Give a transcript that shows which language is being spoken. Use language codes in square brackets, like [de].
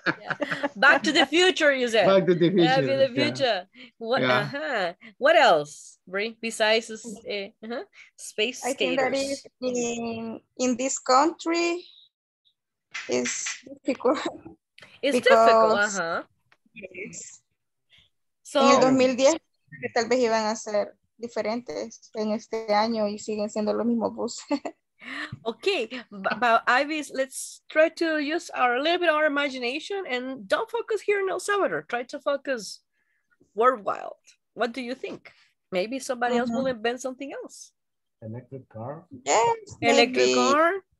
[en] Yeah. Back to the future, you said. Back to the future. Back to the future. What, yeah. Uh-huh. What else, Bri, besides space skaters? I think that is in this country, it's difficult. It's difficult, uh-huh. [es] In 2010, tal vez iban a ser diferentes en este año y siguen siendo los mismos buses. [en] Okay, but Ivy's, let's try to use our a little bit of our imagination and don't focus here in El Salvador. Try to focus worldwide. What do you think? Maybe somebody else will invent something else. Electric car? Yes. Electric car?